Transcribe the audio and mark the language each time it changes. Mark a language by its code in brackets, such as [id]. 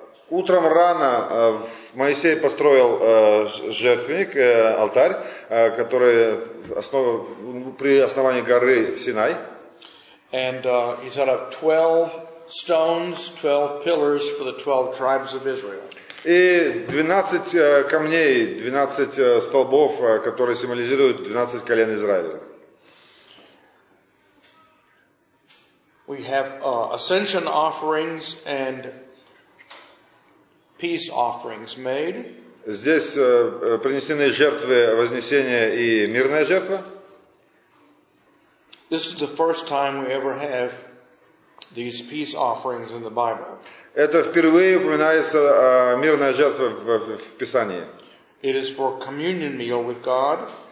[ru] Утром рано Моисей построил жертвенник, алтарь, который при основании горы Синай. [en] And he set up 12 stones, 12 pillars for the 12 tribes of Israel. [ru] И 12 камней, 12 столбов, которые символизируют 12 колен Израиля. [en] We have ascension offerings and peace offerings made. [ru] Здесь принесены жертвы вознесения и мирная жертва. [en] This is the first time we ever have these peace offerings in the Bible. [ru] Это впервые упоминается мирная жертва в Писании. [en] It is for communion meal with God.